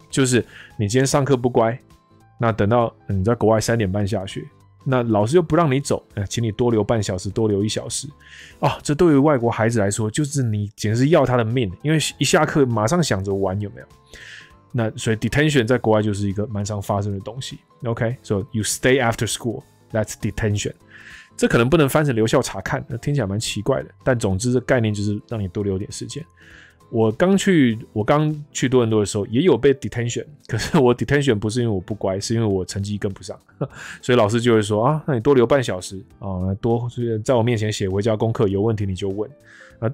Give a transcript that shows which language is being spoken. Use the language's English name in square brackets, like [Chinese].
[Chinese] 就是你今天上课不乖，那等到你在国外三点半下学。那老师又不让你走，请你多留半小时，多留一小时，哦，这对于外国孩子来说，就是你简直是要他的命，因为一下课马上想着玩，有没有？那所以 detention 在国外就是一个蛮常发生的东西。 [English] OK， so you stay after school， that's detention。 [Chinese] 这可能不能翻成留校查看，那听起来蛮奇怪的。但总之，这概念就是让你多留点时间。我刚去多伦多的时候也有被 detention， 可是我 detention 不是因为我不乖，是因为我成绩跟不上，所以老师就会说啊，那你多留半小时啊，多在我面前写回家功课，有问题你就问啊。